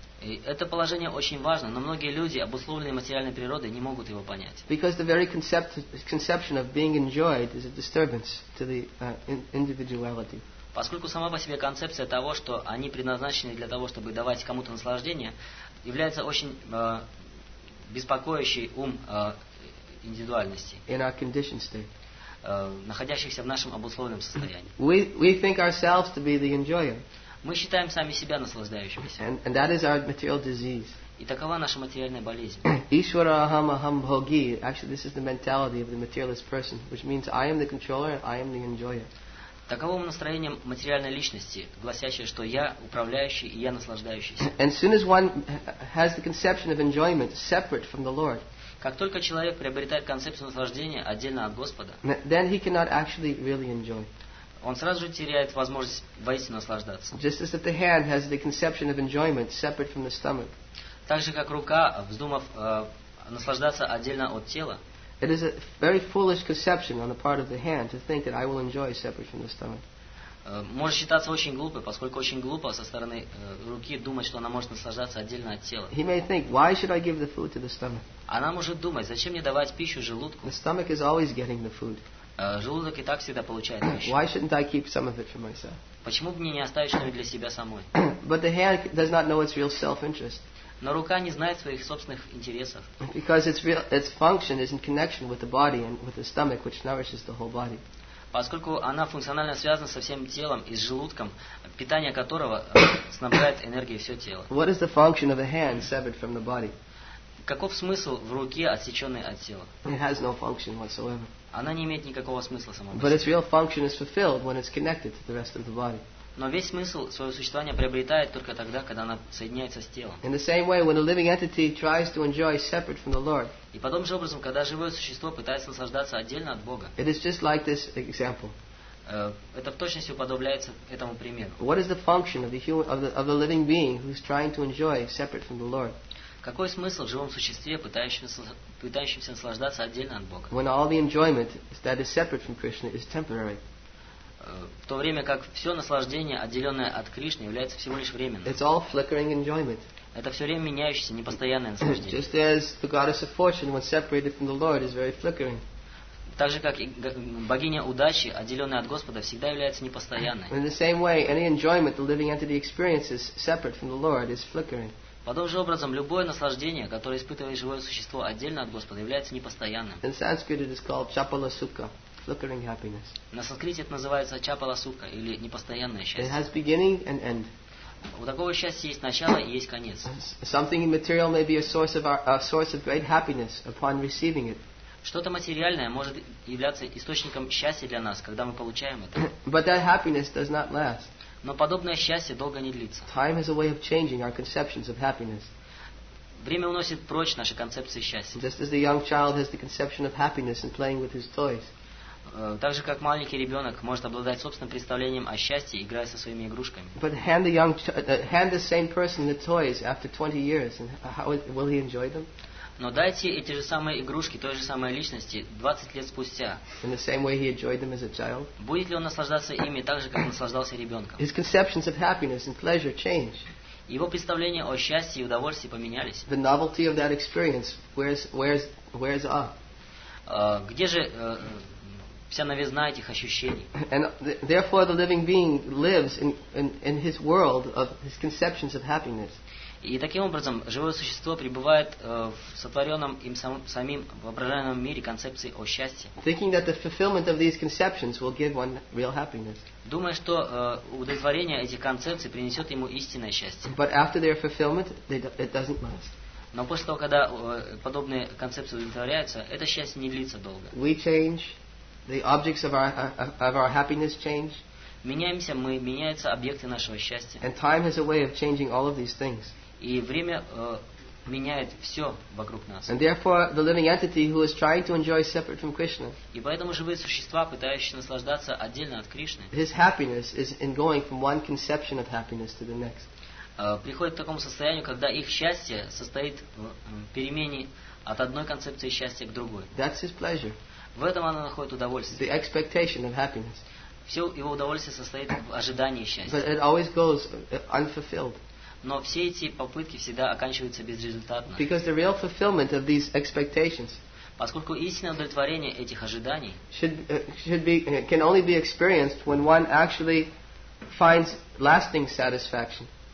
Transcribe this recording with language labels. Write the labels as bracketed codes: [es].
[ru] И это положение очень важно, но многие люди, обусловленные материальной природой, не могут его понять. [en] Because the very conception of being enjoyed is a disturbance to the individuality. [ru] Поскольку сама по себе концепция того, что они предназначены для того, чтобы давать кому-то наслаждение, является очень беспокоящей ум индивидуальности. [en] In our conditioned state. [ru] Находящихся в нашем обусловленном состоянии. [en] We think ourselves to be the enjoyer. [ru] Мы считаем сами себя наслаждающимися. [en] And that is our material disease. [ru] И такова наша материальная болезнь. [sa] Ishvara aham aham bhogi. [en] Actually, this is the mentality of the materialist person, which means I am the controller, I am the enjoyer. [ru] Таковым настроением материальной личности, гласящее, что я управляющий и я наслаждающийся. [en] And soon as one has the conception of enjoyment separate from the Lord, [ru] как только человек приобретает концепцию наслаждения отдельно от Господа, [en] then he cannot actually really enjoy. [ru] он сразу же теряет возможность воистину наслаждаться. [en] Just as if the hand has the conception of enjoyment separate from the stomach. [ru] Так же, как рука, вздумав наслаждаться отдельно от тела. [en] It is a very foolish conception on the part of the hand to think that I will enjoy separate from the stomach. [ru] Может считаться очень глупой, поскольку очень глупо со стороны руки думать, что она может наслаждаться отдельно от тела. [en] He may think, why should I give the food to the stomach? [ru] Она может думать, зачем мне давать пищу желудку? [en] The stomach is always getting the food. [ru] Желудок и так всегда получает пищу. [en] Why shouldn't I keep some of it for myself? [ru] Почему бы мне не оставить что-нибудь для себя самой? [en] But the hand does not know its real self-interest. [ru] Но рука не знает своих собственных интересов. [en] Because its function is in connection with the body and with the stomach, which nourishes the whole body. [ru] Поскольку она функционально связана со всем телом и с желудком, питание которого снабжает энергией все тело. [en] What is the function of a hand severed from the body? [ru] Каков смысл в руке, отсеченной от тела? [en] It has no function whatsoever. [ru] Она не имеет никакого смысла сама. [en] But its real function is fulfilled when it's connected to the rest of the body. [ru] Но весь смысл своего существования приобретает только тогда, когда она соединяется с телом. [en] In the same way, when a living entity tries to enjoy separate from the Lord. [ru] И подобным же образом, когда живое существо пытается наслаждаться отдельно от Бога. [en] It is just like this example. [ru] Это в точности уподобляется этому примеру. [en] What is the function of the human, of the living being who is trying to enjoy separate from the Lord? [ru] Какой смысл в живом существе, пытающемся наслаждаться отдельно от Бога? [en] When all the enjoyment that is separate from Krishna is temporary. [ru] В то время как все наслаждение, отделенное от Кришны, является всего лишь временным. [en] It's all flickering enjoyment. [ru] Это все время меняющееся, непостоянное наслаждение. [en] Just as the goddess of fortune, when separated from the Lord, is very flickering. [ru] Так же, как и богиня удачи, отделенная от Господа, всегда является непостоянной. [en] In the same way, any enjoyment the living entity experiences separate from the Lord is flickering. [ru] Подобным же образом, любое наслаждение, которое испытывает живое существо отдельно от Господа, является непостоянным. [en] In Sanskrit it is called chapalasukha. Flickering happiness. [ru] На санскрите это называется чапаласука или непостоянное счастье. [en] It has beginning and end. [ru] У такого счастья есть начало и есть конец. [en] Something material may be a source of great happiness upon receiving it. [ru] Что-то материальное может являться источником счастья для нас, когда мы получаем это. [en] But that happiness does not last. [ru] Но подобное счастье долго не длится. [en] Time is a way of changing our conceptions of happiness. [ru] Время уносит прочь наши концепции счастья. [en] Just as the young child has the conception of happiness in playing with his toys. [ru] Так же, как маленький ребенок может обладать собственным представлением о счастье, играя со своими игрушками. [en] But hand the same person the toys after 20 years, and how will he enjoy them? [ru] Но дайте эти же самые игрушки той же самой личности 20 лет спустя. [en] In the same way he enjoyed them as a child. [ru] Будет ли он наслаждаться ими так же, как наслаждался ребенком? [en] His conceptions of happiness and pleasure change. [ru] Его представления о счастье и удовольствии поменялись. [en] The novelty of that experience wears off. [ru] Где же вся новизна этих ощущений. [en] And therefore the living being lives in his world of his conceptions of happiness. [ru] И таким образом живое существо пребывает в сотворенном им самим воображаемом мире концепции о счастье. [en] Thinking that the fulfillment of these conceptions will give one real happiness. [ru] Думая, что удовлетворение этих концепций принесет ему истинное счастье. [en] But after their fulfillment, it doesn't last. [ru] Но после того, когда подобные концепции удовлетворяются, это счастье не длится долго. [en] We change. The objects of our happiness change. [ru] Меняемся мы, меняются объекты нашего счастья. [en] And time has a way of changing all of these things. [ru] И время меняет все вокруг нас. [en] And therefore, the living entity who is trying to enjoy separate from Krishna. [ru] И поэтому живые существа, пытающиеся наслаждаться отдельно от Кришны. [en] His happiness is in going from one conception of happiness to the next. [ru] Приходит к такому состоянию, когда их счастье состоит в перемене от одной концепции счастья к другой. [en] That's his pleasure. [ru] В этом она находит удовольствие. [en] The expectation of happiness. [ru] Все его удовольствие состоит в ожидании счастья. [en] But it always goes unfulfilled. [ru] Но все эти попытки всегда оканчиваются безрезультатно. [en] Because the real fulfillment of these expectations. [ru] Поскольку истинное удовлетворение этих ожиданий [en] can only be experienced when one actually finds lasting satisfaction.